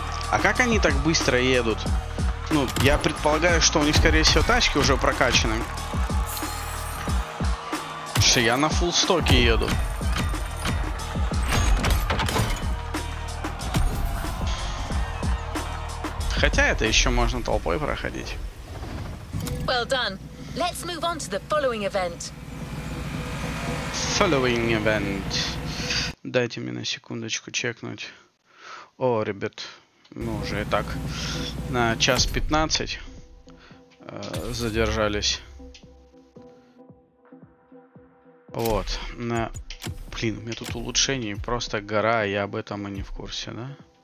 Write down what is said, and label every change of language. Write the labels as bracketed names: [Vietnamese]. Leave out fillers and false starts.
[Russian] А как они так быстро едут? Ну, я предполагаю, что у них, скорее всего, тачки уже прокачаны. Что я на фуллстоке еду. Хотя это еще можно толпой проходить. [English] Well done. Let's move on to the following event. Following event. [Russian] Дайте мне на секундочку чекнуть. О, ребят. Ну, уже и так на 1:15 задержались. Вот. На... Блин, у меня тут улучшение. Просто гора, я об этом и не в курсе, да?